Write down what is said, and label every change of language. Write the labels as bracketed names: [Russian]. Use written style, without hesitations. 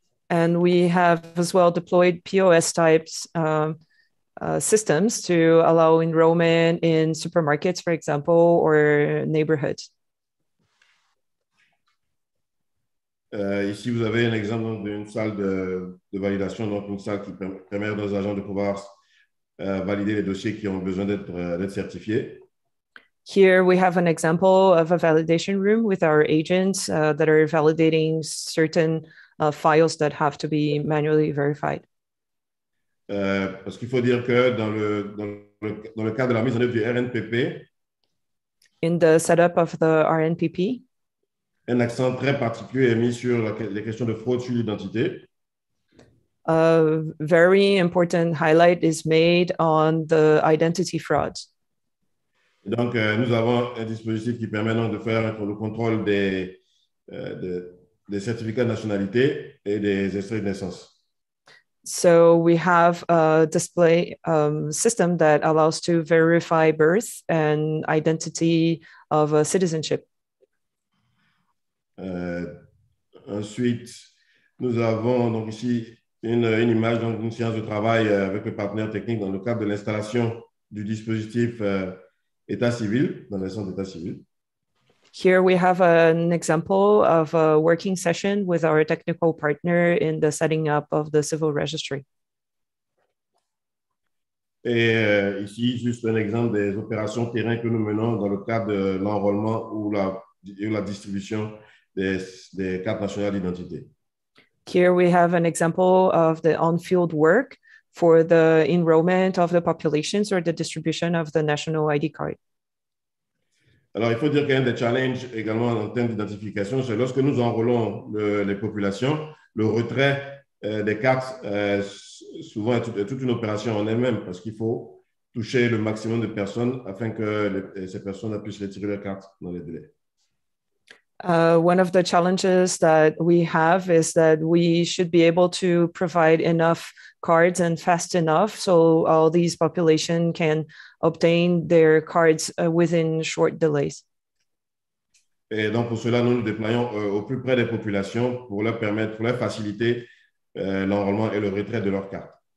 [English] And we have as well deployed POS types systems to allow enrollment in supermarkets, for example, or neighborhoods. [French] Ici, vous avez un exemple d'une salle de validation, donc une salle qui permet aux agents de pouvoir valider les dossiers qui ont besoin d'être certifiés. [English] Here we have an example of a validation room with our agents that are validating certain files that have to be manually verified. [French] Parce qu'il faut dire que dans le cadre de la mise en œuvre du RNPP, [English] in the setup of the RNPP, [French] un accent très particulier est mis sur les questions de fraude sur l'identité. [English] A very important highlight is made on the identity fraud. [French] Donc, nous avons un dispositif qui permet donc de faire le contrôle des certificats de nationalité et des extraits de naissance. [English] So we have a display system that allows to verify birth and identity of a citizenship. [French] Ensuite, nous avons donc ici une image donc une séance de travail avec le partenaire technique dans le cadre de l'installation du dispositif état civil dans le centre d'état civil. [English] Here we have an example of a working session with our technical partner in the setting up of the civil registry. [French] Et ici juste un exemple des opérations terrain que nous menons dans le cadre de l'enrôlement ou la distribution des cartes nationales d'identité. [English] Here we have an example of the on-field work for the enrollment of the populations or the distribution of the national ID card. [French] Alors, il faut dire qu'un des challenges également en termes d'identification, c'est lorsque nous enrôlons les populations, le retrait des cartes souvent est toute une opération en elle-même parce qu'il faut toucher le maximum de personnes afin que ces personnes puissent retirer leurs cartes dans les délais. [English] One of the challenges that we have is that we should be able to provide enough cards and fast enough so all these population can obtain their cards within short delays. [French] Et donc pour cela, nous nous déployons au plus près des populations pour leur permettre, pour leur faciliter l'enrôlement et le retrait de leurs cartes.